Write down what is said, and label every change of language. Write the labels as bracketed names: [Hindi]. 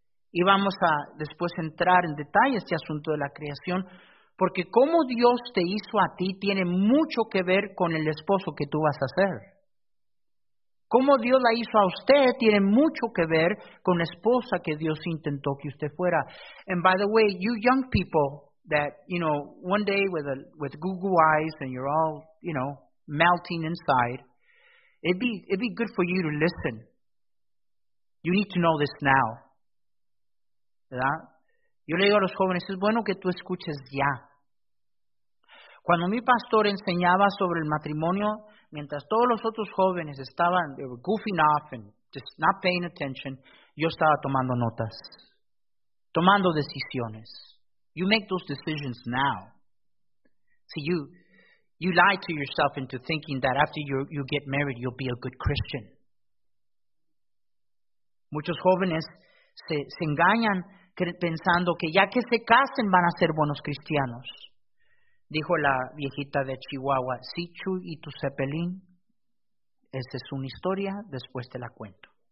[Spanish] Y vamos a después entrar en detalle este asunto de la creación. Porque cómo Dios te hizo a ti tiene mucho que ver con el esposo que tú vas a ser. Cómo Dios la hizo a usted tiene mucho que ver con la esposa que Dios intentó que usted fuera. [English] And by the way, you young people that, you know, one day with Google eyes and you're all, you know, melting inside, it'd be good for you to listen. You need to know this now. [Spanish] ¿Verdad? Yo le digo a los jóvenes, es bueno que tú escuches ya. Cuando mi pastor enseñaba sobre el matrimonio, mientras todos los otros jóvenes estaban [English] goofing off and just not paying attention, [Spanish] yo estaba tomando notas, tomando decisiones. [English] You make those decisions now. See, you lie to yourself into thinking that after you get married, you'll be a good Christian. [Spanish] Muchos jóvenes se engañan pensando que ya que se casen van a ser buenos cristianos. Dijo la viejita de Chihuahua, sí, Chuy y tu cepelín, esa es una historia, después te la cuento.